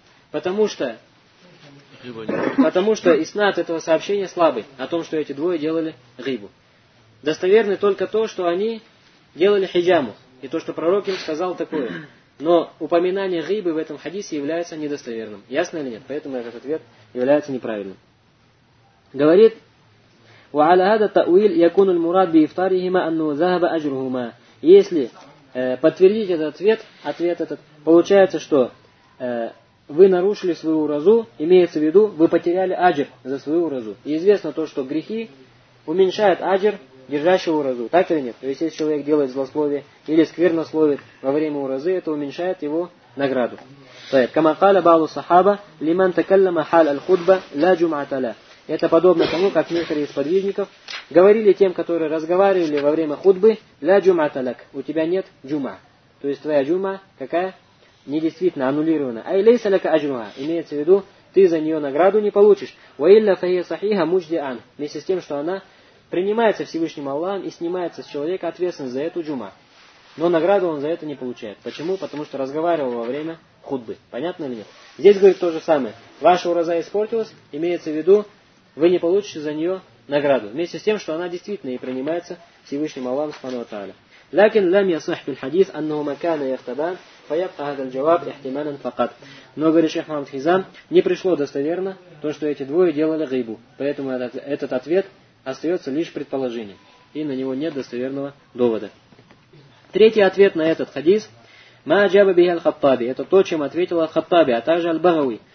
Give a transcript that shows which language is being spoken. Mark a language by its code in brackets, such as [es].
[ru] Потому что иснад этого сообщения слабый о том, что эти двое делали гыбу. Достоверны только то, что они делали хиджаму. И то, что пророк им сказал такое. Но упоминание гыбы в этом хадисе является недостоверным. Ясно или нет? Поэтому этот ответ является неправильным. Говорит, [ar] وَعَلَى هَذَا تَأْوِيلَ يَكُنُ الْمُرَادْ بِإِفْتَارِهِمَا أَنُّهُ ذَهَبَ أَجْرُهُمَا. [ru] Если подтвердить этот ответ этот, получается, что вы нарушили свою уразу, имеется в виду, вы потеряли аджр за свою уразу. И известно то, что грехи уменьшают аджр держащего уразу. Так или нет? То есть, если человек делает злословие или сквернословие во время уразы, это уменьшает его награду. [ar] كما قال بعض الصحابة لمن تكلم حال الخطبة لا جمعة له. [ru] Это подобно тому, как некоторые из подвижников говорили тем, которые разговаривали во время хутбы, [ar] «Ля джума талак», [ru] «У тебя нет джума». То есть твоя джума какая? Недействительно, аннулирована. [ar] «Ай лейса лака аджруха», [ru] имеется в виду, ты за нее награду не получишь. [ar] «Ва илля фахия сахиха мужди ан», [ru] вместе с тем, что она принимается Всевышним Аллахом и снимается с человека ответственность за эту джума. Но награду он за это не получает. Почему? Потому что разговаривал во время хутбы. Понятно или нет? Здесь говорит то же самое. «Ваша ураза испортилась», имеется в виду, вы не получите за нее награду. Вместе с тем, что она действительно и принимается Всевышним Аллахом Субхану ва Тааля. [ar] لكن لم يصح في الحديث أنه ما كان يختبان فيبقى هذا الجواب احتمالا فقط. [ru] Но, говорит шейх Мухаммад Хизам, не пришло достоверно то, что эти двое делали гыбу. Поэтому этот ответ остается лишь предположением. И на него нет достоверного довода. Третий ответ на этот хадис. [ar] ما جاب به الخطابي. [ru] Это то, чем ответил Аль-Хаттаби, а также Аль-Багави.